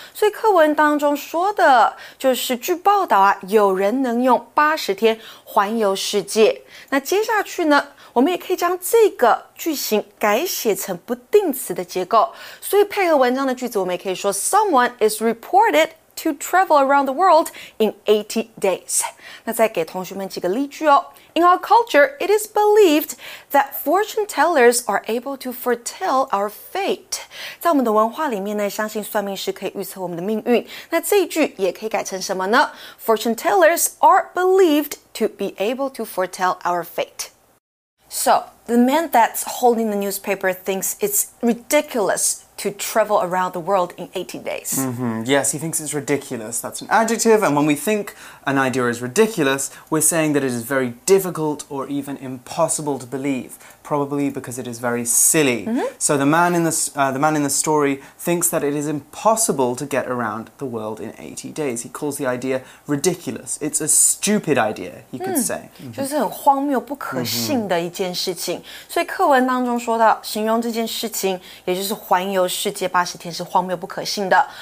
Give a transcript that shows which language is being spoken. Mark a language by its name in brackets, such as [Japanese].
[Chinese] 所以课文当中说的就是据报道啊，有人能用80天环游世界。那接下去呢，我们也可以将这个句型改写成不定词的结构，所以配合文章的句子，我们也可以说 [English] someone is reported。 To travel around the world in 80 days. [Chinese] 那再给同学们几个例句哦。 [English] In our culture, it is believed that fortune tellers are able to foretell our fate. [Chinese] 在我们的文化里面呢，相信算命师可以预测我们的命运。那这一句也可以改成什么呢？ [English] Fortune tellers are believed to be able to foretell our fate. So, the man that's holding the newspaper thinks it's ridiculous. To travel around the world in 80 days. Yes, he thinks it's ridiculous. That's an adjective. And when we think an idea is ridiculous, we're saying that it is very difficult or even impossible to believe. probably because it is very silly. Mm-hmm. So the man in the story thinks that it is impossible to get around the world in 80 days. He calls the idea ridiculous. It's a stupid idea, you could say. [Chinese] 就是很荒谬不可信的一件事情。 [English] Mm-hmm. [Chinese] 所以课文当中说到形容这件事情也就是环游世界八十天是荒谬不可信的。